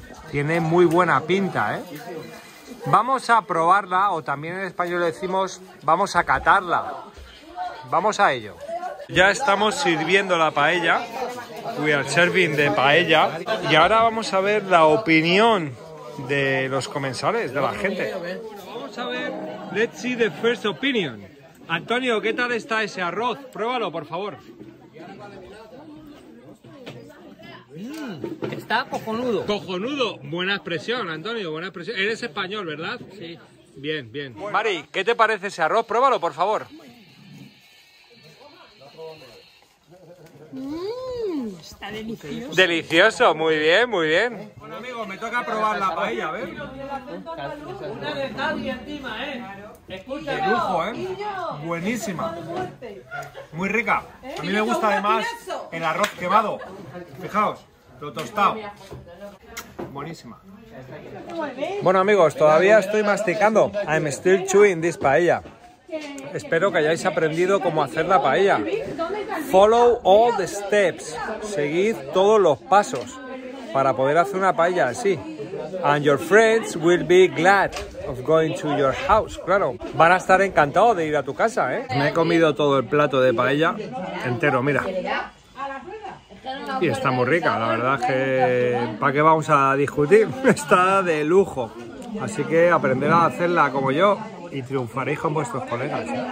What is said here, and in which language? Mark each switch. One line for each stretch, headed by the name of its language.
Spanish: Tiene muy buena pinta, ¿eh? Vamos a probarla, o también en español decimos, vamos a catarla. Vamos a ello. Ya estamos sirviendo la paella.
English: We are serving the paella.
Spanish: Y ahora vamos a ver la opinión de los comensales, de la gente. Vamos a ver,
English: let's see the first opinion.
Spanish: Antonio, ¿qué tal está ese arroz? Pruébalo, por favor. Está cojonudo. Cojonudo, buena expresión, Antonio, buena expresión. Eres español, ¿verdad? Sí. Bien, bien. Mari, ¿qué te parece ese arroz? Pruébalo, por favor. Está delicioso. Delicioso, muy bien, muy bien. Bueno, amigo, me toca probar la paella, a ver. Una de tal y encima, ¿eh? De lujo, ¿eh? Buenísima. Muy rica. A mí me gusta además el arroz quemado. Fijaos, lo tostado. Buenísima. Bueno, amigos, todavía estoy masticando.
English: I'm still chewing this paella.
Spanish: Espero que hayáis aprendido cómo hacer la paella.
English: Follow all the steps.
Spanish: Seguid todos los pasos para poder hacer una paella así.
English: And your friends will be glad of going to your house, claro.
Spanish: Van a estar encantados de ir a tu casa, ¿eh? Me he comido todo el plato de paella entero, mira. Y está muy rica, la verdad que... ¿Para qué vamos a discutir? Está de lujo. Así que aprender a hacerla como yo. Y triunfaréis con vuestros colegas.